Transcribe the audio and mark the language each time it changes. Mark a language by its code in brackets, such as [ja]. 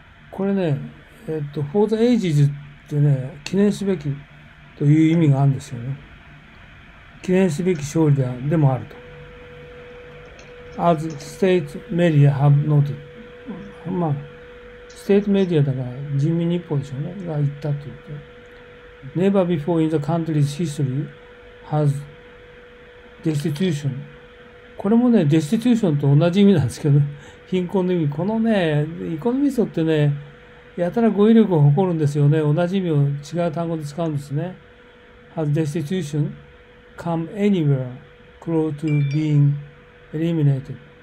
[ja] これね、 [en] for the ages [ja] ってね、記念すべきという意味があるんですよね。記念すべき勝利でもあると。 [en] As state media have noted、 [ja] まあ、ステートメディアだから人民日報でしょうね、が言ったと言って。 [en] Never before in the country's history has destitution。 [ja] これもね、デスティテューションと同じ意味なんですけど、貧困の意味。このね、イコノミストってね、やたら語彙力を誇るんですよね。同じ意味を違う単語で使うんですね。 [en] Has destitution come anywhere close to being eliminated。